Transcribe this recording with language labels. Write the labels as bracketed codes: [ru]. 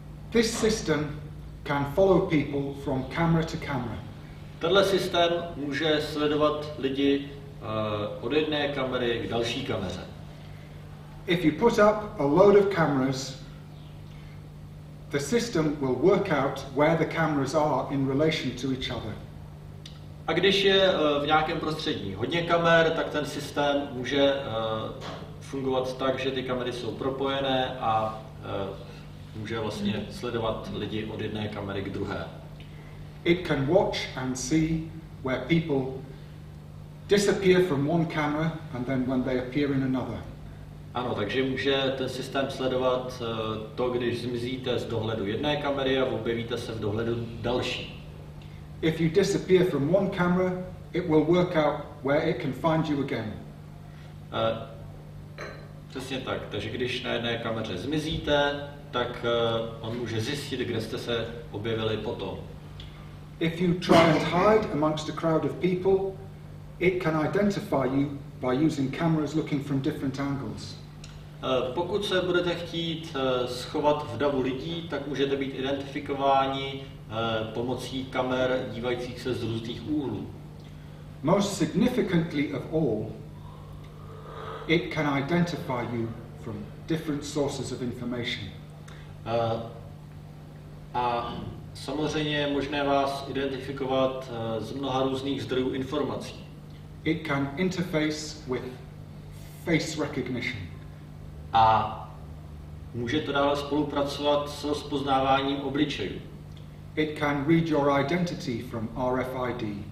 [en] This system can follow people from camera to camera. [cs] Tenhle systém může sledovat lidi od jedné kamery k další kameře. [en] If you put up a load of cameras, the system will work out where the cameras are in relation to each other. [cs] A když je v nějakém prostředí hodně kamer, tak ten systém může fungovat tak, že ty kamery jsou propojené a může vlastně sledovat lidi od jedné kamery k druhé. [en] It can watch and see where people disappear from one camera and then when they appear in another. [cs] Ano, takže může ten systém sledovat to, když zmizíte z dohledu jedné kamery a objevíte se v dohledu další. [en] If you disappear from one camera, it will work out where it can find you again. [cs] Přesně tak, takže když na jedné kameře zmizíte, tak on může zjistit, kde jste se objevili potom. [en] If you try and hide amongst a crowd of people, it can identify you by using cameras looking from different angles. [cs] Pokud se budete chtít schovat v davu lidí, tak můžete být identifikováni pomocí kamer dívajících se z různých úhlů. [en] Most significantly of all, it can identify you from different sources of information. [cs] A samozřejmě je možné vás identifikovat z mnoha různých zdrojů informací. [en] It can interface with face recognition. [cs] A může to dále spolupracovat s rozpoznáváním obličejů. [en] It can read your identity from RFID.